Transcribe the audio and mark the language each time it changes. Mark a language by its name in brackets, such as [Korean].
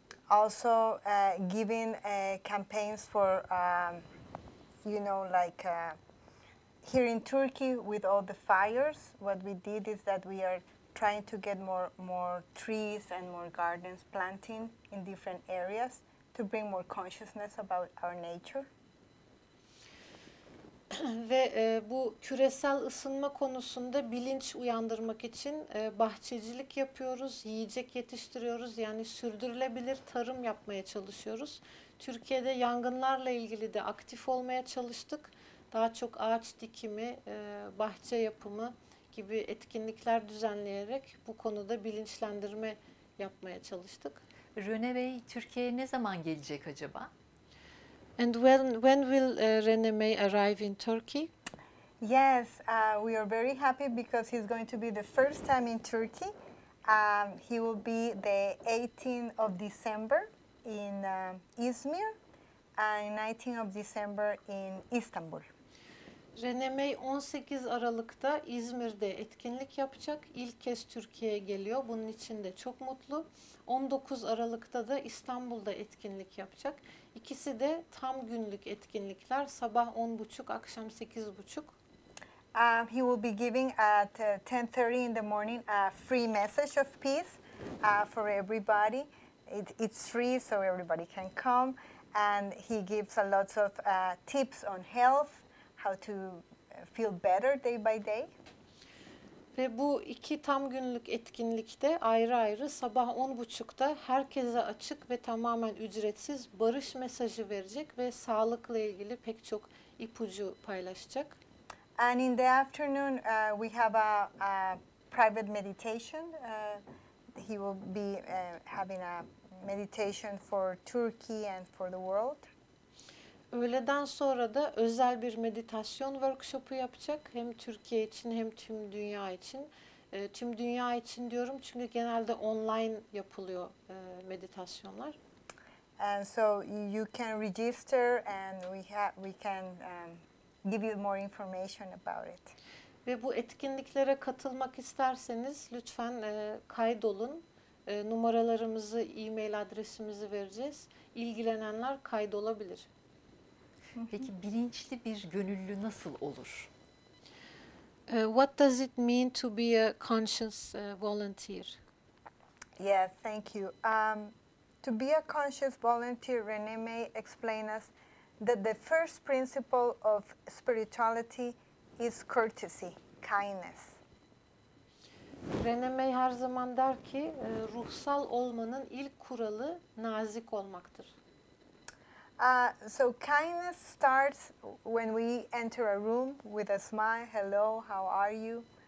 [English] Also, giving campaigns for, you know, like here in Turkey with all the fires. What we did is that we are trying to get more trees and more gardens planting in different areas to bring more consciousness about our nature. [Turkish] Ve bu küresel ısınma konusunda bilinç uyandırmak için bahçecilik yapıyoruz, yiyecek yetiştiriyoruz, yani sürdürülebilir tarım yapmaya çalışıyoruz. Türkiye'de yangınlarla ilgili de aktif olmaya çalıştık. Daha çok ağaç dikimi, bahçe yapımı gibi etkinlikler düzenleyerek bu konuda bilinçlendirme yapmaya çalıştık. Rene Bey, Türkiye'ye ne zaman gelecek acaba? [English] And when will Rene May arrive in Turkey? Yes, we are very happy because he's going to be the first time in Turkey. He will be the 18th of December in Izmir and 19th of December in Istanbul. [Turkish] Rene May 18 Aralık'ta İzmir'de etkinlik yapacak. İlk kez Türkiye'ye geliyor. Bunun için de çok mutlu. 19 Aralık'ta da İstanbul'da etkinlik yapacak. İkisi de tam günlük etkinlikler. Sabah 10.30, akşam 8.30. [English] He will be giving at 10:30 in the morning a free message of peace for everybody. It's free, so everybody can come. And he gives a lot of tips on health, how to feel better day by day. [Turkish] Ve bu iki tam günlük etkinlikte ayrı ayrı sabah 10.30'da herkese açık ve tamamen ücretsiz barış mesajı verecek ve sağlıkla ilgili pek çok ipucu paylaşacak. [English] And in the afternoon we have a private meditation. He will be having a meditation for Turkey and for the world. [Turkish] Öğleden sonra da özel bir meditasyon workshop'u yapacak. Hem Türkiye için hem tüm dünya için. Tüm dünya için diyorum çünkü genelde online yapılıyor meditasyonlar. [English] And so you can register and we can give you more information about it. [Turkish] Ve bu etkinliklere katılmak isterseniz lütfen kaydolun. Numaralarımızı, e-mail adresimizi vereceğiz. İlgilenenler kaydolabilir. Peki bilinçli bir gönüllü nasıl olur? [English] What does it mean to be a conscious volunteer? Yeah, thank you. To be a conscious volunteer, Rene May explained us that the first principle of spirituality is courtesy, kindness. [Turkish] Rene May her zaman der ki, ruhsal olmanın ilk kuralı nazik olmaktır. [English] So kindness starts when we enter a room with a smile, hello, how are you?